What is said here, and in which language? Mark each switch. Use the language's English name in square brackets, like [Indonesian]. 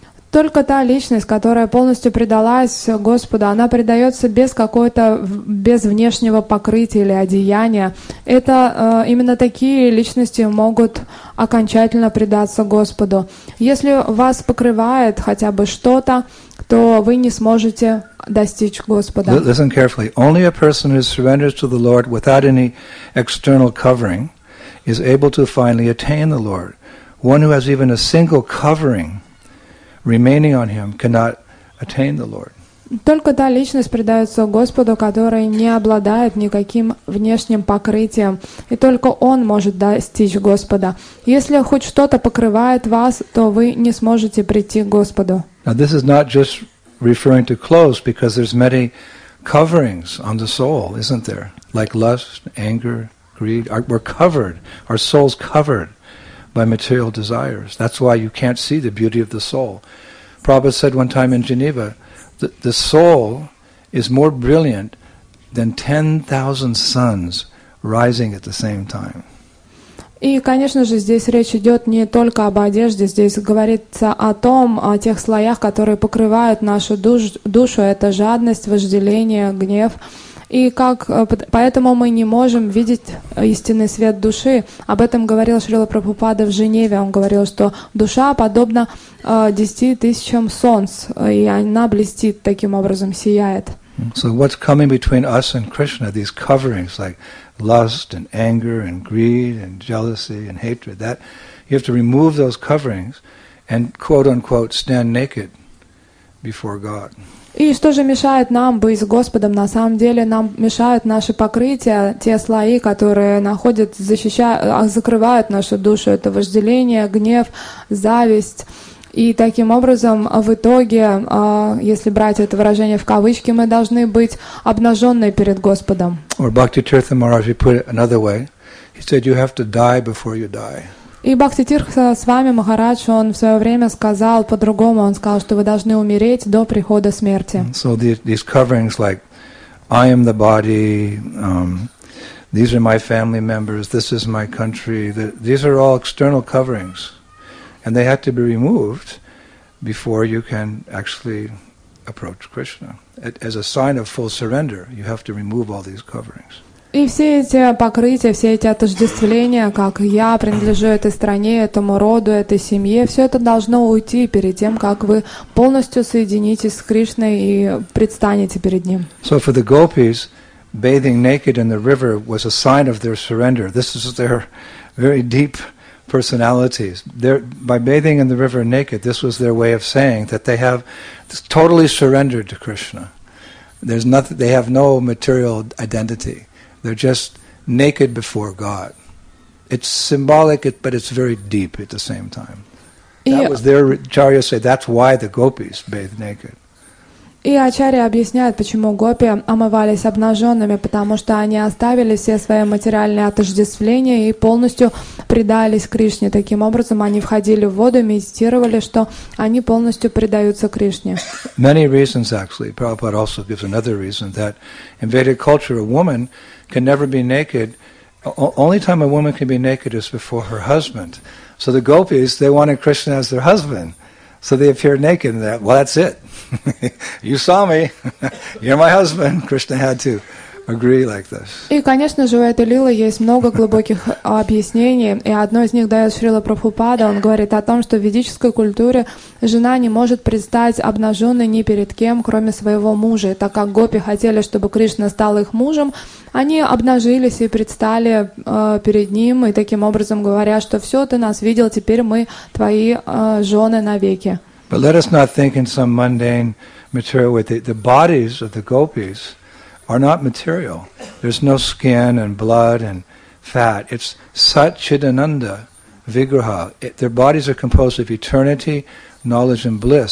[Russian] Только та личность, которая полностью предалась Господу, она предается без какого-то, без внешнего покрытия или одеяния. Это именно такие личности могут окончательно предаться Господу. Если вас покрывает хотя бы что-то, то вы не сможете достичь Господа. [English] Listen carefully. Only a person who surrenders to the Lord without any external covering is able to finally attain the Lord. One who has even a single covering remaining on him cannot attain the Lord. [Russian] Только та личность предается Господу, который не обладает никаким внешним покрытием, и только он может достичь Господа. Если хоть что-то покрывает вас, то вы не сможете прийти к Господу. [English] Now this is not just referring to clothes, because there's many coverings on the soul, isn't there? Like lust, anger, greed. We're covered. Our soul's covered by material desires. That's why you can't see the beauty of the soul. Prabhupada said one time in Geneva, the soul is more brilliant than 10,000 suns rising at the same time. [Russian] И, конечно же, здесь речь идет не только об одежде, здесь говорится о том, о тех слоях, которые покрывают нашу душу, это жадность, вожделение, гнев. И как, поэтому мы не можем видеть истинный свет души. Об этом говорил Шрила Прабхупада в Женеве. Он говорил, что душа подобна 10 тысячам солнц, и она блестит таким образом, сияет. [English] So what's coming between us and Krishna, these coverings like lust and anger and greed and jealousy and hatred, that you have to remove those coverings and quote unquote stand naked before God. [Russian] И что же мешает нам быть с Господом? На самом деле нам мешают наши покрытия, те слои, которые находят, защищают, закрывают нашу душу. Это вожделение, гнев, зависть. И таким образом, в итоге, если брать это выражение в кавычки, мы должны быть обнаженные перед Господом. [English] Or Bhakti Tirtha Maharaj, he put it another way. He said, you have to die before you die. [Russian] И Бхакти Тирха с вами Махарадж, он в свое время сказал по-другому, он сказал, что вы должны умереть до прихода смерти. [English] So these coverings like I am the body, these are my family members, this is my country, these are all external coverings. And they had to be removed before you can actually approach Krishna. As a sign of full surrender, you have to remove all these coverings. [Russian] И все эти покрытия, все эти отождествления, как я принадлежу этой стране, этому роду, этой семье, все это должно уйти перед тем, как вы полностью соединитесь с Кришной и предстанете перед Ним. [English] So for the gopis, bathing naked in the river was a sign of their surrender. This is their very deep personalities. They're, by bathing in the river naked, this was their way of saying that they have totally surrendered to Krishna. There's nothing, they have no material identity. They're just naked before God. It's symbolic, but it's very deep at the same time. That was their, Acharya say, that's why the gopis bathe naked. [Russian] И Ачарья объясняет, почему гопи омывались обнаженными, потому что они оставили все свои материальные отождествления и полностью предались Кришне. Таким образом, они входили в воду и медитировали, что они полностью предаются Кришне. [English] Many reasons, actually. Prabhupada also gives another reason, that in Vedic culture, a woman can never be naked. Only time a woman can be naked is before her husband. So the gopis, they wanted Krishna as their husband. So they appear naked and that, well, that's it. You saw me. You're my husband. Krishna had to agree like this. [Russian] И, конечно же, у этой лилы есть много глубоких объяснений, и одно из них дает Шрила Прабхупада. Он говорит о том, что в ведической культуре жена не может предстать обнаженной ни перед кем, кроме своего мужа. И так как гопи хотели, чтобы Кришна стал их мужем, они обнажились и предстали перед ним, и таким образом говоря, что все, ты нас видел, теперь мы твои жены навеки. [English] But let us not think in some mundane material way. The bodies of the gopis are not material. There's no skin and blood and fat. It's Satchidananda Vigraha. Their bodies are composed of eternity, knowledge and bliss.